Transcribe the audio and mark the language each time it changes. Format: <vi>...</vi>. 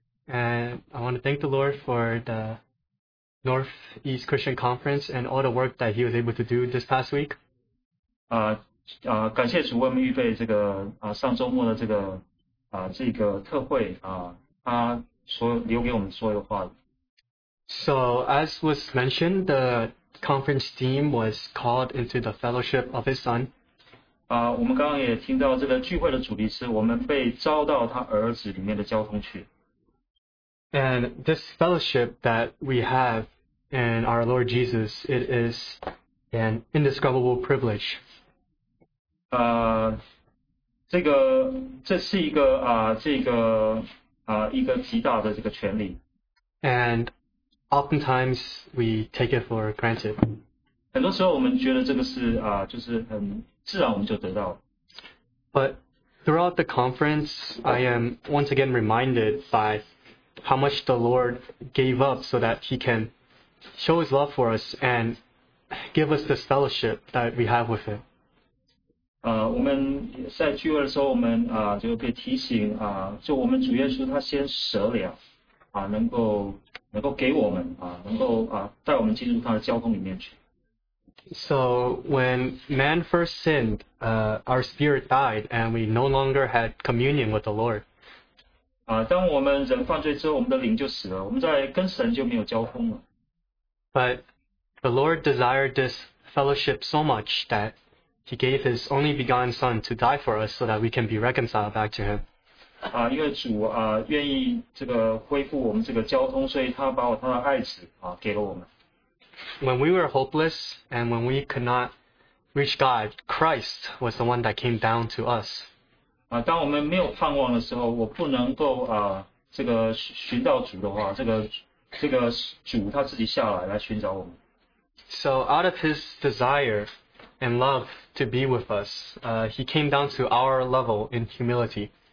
<en>And I want to thank the Lord for the Northeast Christian Conference and all the work that He was able to do this past week.</en> <zh>感谢主为我们预备这个上周末的这个这个特会他所留给我们所有话。</zh> <en>So as was mentioned, the conference team was called into the fellowship of His Son.</en> <zh>我们刚刚也听到这个聚会的主题是我们被召到他儿子里面的交通去。</zh> <en>And this fellowship that we have in our Lord Jesus, it is an indescribable privilege.</en> <zh>这是一个一个极大的这个权利。</zh> <en>And oftentimes we take it for granted.</en> <zh>很多时候我们觉得这个是就是很。自然我们就得到。</zh> <en>But throughout the conference, I am once again reminded by how much the Lord gave up so that He can show His love for us and give us this fellowship that we have with Him.</en> <zh>我们在聚会的时候，我们就被提醒就我们主耶稣他先舍了能够给我们能够带我们进入他的交通里面去。</zh> <en>So when man first sinned, our spirit died, and we no longer had communion with the Lord.</en> <zh>当我们人犯罪之后，我们的灵就死了，我们在跟神就没有交通了。</zh> <en>But the Lord desired this fellowship so much that he gave his only begotten son to die for us so that we can be reconciled back to him.</en> <zh>因为主愿意恢复我们这个交通，所以他把他的爱子给了我们。</zh> <en>When we were hopeless and when we could not reach God, Christ was the one that came down to us.</en> <zh>当我们没有盼望的时候，我不能够寻到主的话，这个主他自己下来来寻找我们。</zh> <en>So out of his desire and love to be with us, he came down to our level in humility.</en>